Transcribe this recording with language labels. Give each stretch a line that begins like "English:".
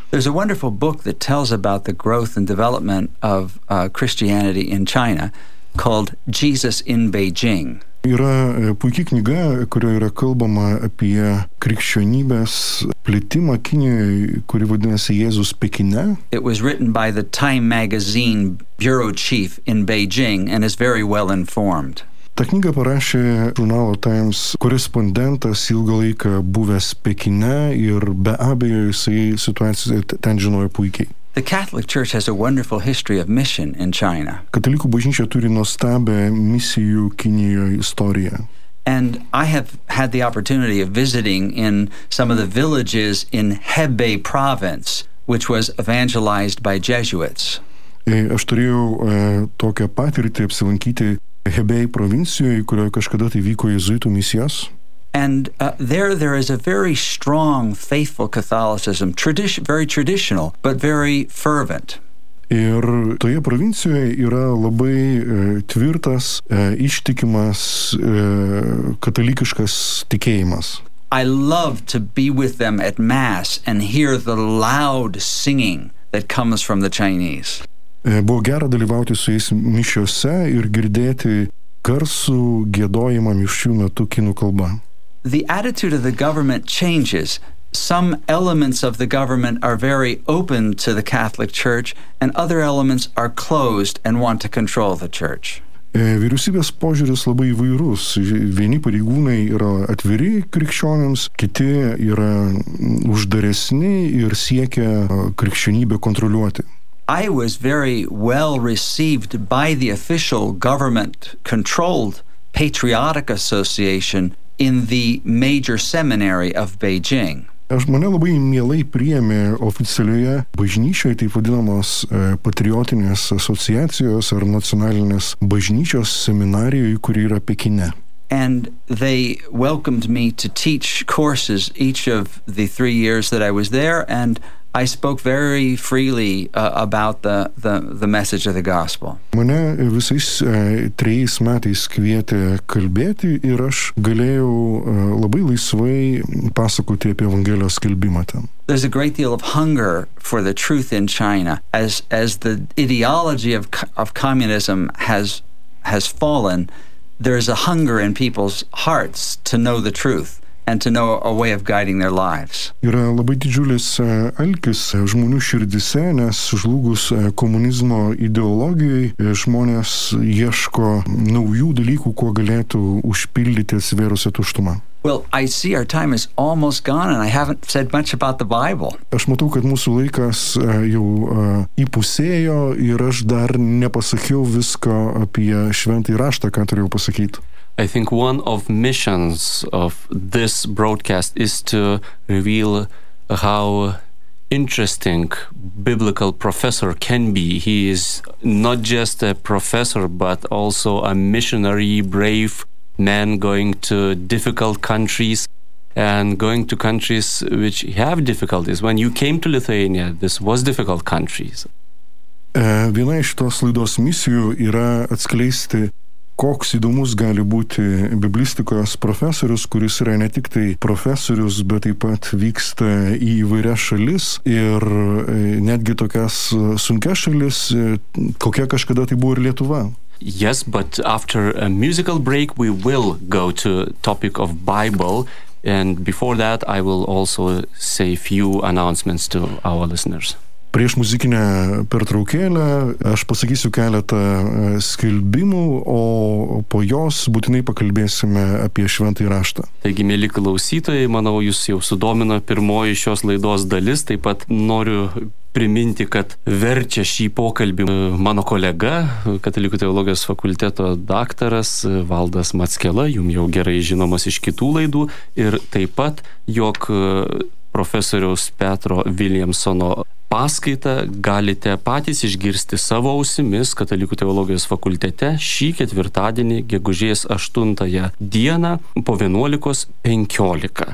English: There's a wonderful book that tells about the growth and development of Christianity in China called Jesus in Beijing.
Lithuanian: Yra puiki knyga, kurioje yra kalbama apie krikščionybės plitimą Kinijoje, kuri vadinasi Jėzus Pekine.
English: It was written by the Time magazine bureau chief in Beijing and is very well informed.
Lithuanian: Ta knyga parašė žurnalo Times korespondentas ilgą laiką buvęs Pekine ir be abejo jisai situaciją ten žinojo puikiai.
English: The Catholic Church has a wonderful history of mission in China.
Lithuanian: Katalikų bažnyčia turi nuostabią misijų Kinijoje istoriją.
English: And I have had the opportunity of visiting in some of the villages in Hebei province, which was evangelized by Jesuits.
Lithuanian: Aš turėjau tokią patirtį apsilankyti Hebei provincijoje, kurioje kažkada tai vyko jezuitų misijos.
English: And there is a very strong faithful Catholicism, very traditional, but very fervent.
Lithuanian: Ir toje provincijoje yra labai tvirtas, ištikimas katalikiškas tikėjimas.
English: I love to be with them at mass and hear the loud singing that comes from the Chinese.
Lithuanian: Buvo gera dalyvauti su jais mišiose ir girdėti garsų giedojimą mišių metu kinų kalba.
English: The attitude of the government changes. Some elements of the government are very open to the Catholic Church, and other elements are closed and want to control the church.
Lithuanian: Vyriausybės požiūris labai įvairus. Vieni pareigūnai yra atviri krikščionims, kiti yra uždaresni ir siekia krikščionybę kontroliuoti.
English: I was very well received by the official government-controlled patriotic association in the major seminary of Beijing.
Lithuanian: Aš mane labai mielai priėmė oficialioje bažnyčioje, taip vadinamos patriotinės asociacijos ar nacionalinės bažnyčios seminarijoje, kuri yra Pekine.
English: And they welcomed me to teach courses each of the 3 years that I was there, and I spoke very freely about the message of the gospel.
Lithuanian: Mane visais trejais metais kvietė kalbėti ir aš galėjau labai laisvai pasakoti apie evangelijos skelbimą ten.
English: There's a great deal of hunger for the truth in China as the ideology of communism has fallen. There's a hunger in people's hearts to know the truth and to know a way of guiding their lives.
Lithuanian: Yra labai didžiulis alkis žmonių širdise, nes žlugus komunizmo ideologijai, žmonės ieško naujų dalykų, kuo galėtų užpildyti atsivėrusią tuštumą.
English: Well, I see our time is almost gone and I haven't said much about the Bible.
Lithuanian: Aš matau, kad mūsų laikas jau įpusėjo ir aš dar nepasakiau visko apie šventąjį raštą, ką turėjau pasakyti.
English: I think one of missions of this broadcast is to reveal how interesting biblical professor can be. He is not just a professor, but also a missionary, brave man going to difficult countries and going to countries which have difficulties. When you came to Lithuania, this was difficult countries.
Lithuanian: Viena iš tos laidos misijų yra atskleisti, koks įdomus gali būti biblistikos profesorius, kuris yra ne tik tai profesorius, bet taip pat vyksta į įvairias šalis ir netgi tokias sunkias šalis, kokia kažkada tai buvo ir Lietuva.
English: Yes, but after a musical break, we will go to topic of Bible. And before that, I will also say few announcements to our listeners.
Lithuanian: Prieš muzikinę pertraukėlę aš pasakysiu keletą skelbimų, o po jos būtinai pakalbėsime apie šventąjį raštą. Taigi, mėly klausytojai, manau, jūs jau sudomino pirmoji šios laidos dalis. Taip pat noriu priminti, kad verčia šį pokalbį mano kolega, Katalikų teologijos fakulteto daktaras Valdas Mackela, jum jau gerai žinomas iš kitų laidų, ir taip pat, jog profesoriaus Petro Williamsono paskaitą galite patys išgirsti savo ausimis Katalikų teologijos fakultete šį ketvirtadienį, gegužės 8 dieną po 11:15.